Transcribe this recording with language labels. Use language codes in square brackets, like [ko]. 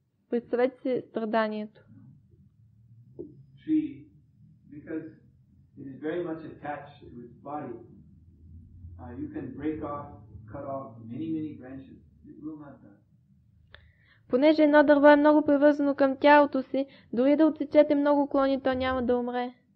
[bg] Представете си страданието. [en] Tree, because it is very much attached to its body. You can break off, cut off many, many branches. It will not die. [bg] Понеже едно дърво е много привързано към тялото си, дори да отсечете много клони, то няма да умре.